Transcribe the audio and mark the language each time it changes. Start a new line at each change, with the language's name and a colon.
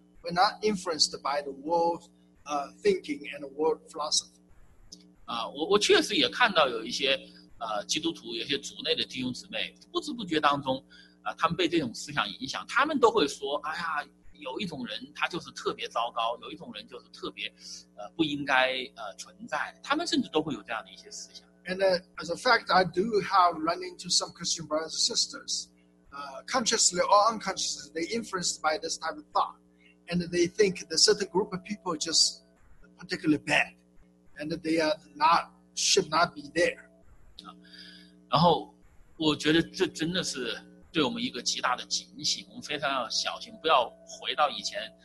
English: We're not influenced by the world thinking and the world philosophy.
Chinese: 我确实也看到有一些基督徒，有些族内的弟兄姊妹，不知不觉当中，他们被这种思想影响，他们都会说，哎呀，有一种人他就是特别糟糕，有一种人就是特别不应该存在，他们甚至都会有这样的一些思想。
English: And as a fact, I do have run into some Christian brothers and sisters, consciously or unconsciously, they influenced by this type of thought, and they think the certain group of people are just particularly bad, and that they are not should not be there.
Chinese: 然后我觉得这真的是对我们一个极大的警醒，我们非常要小心，不要回到以前。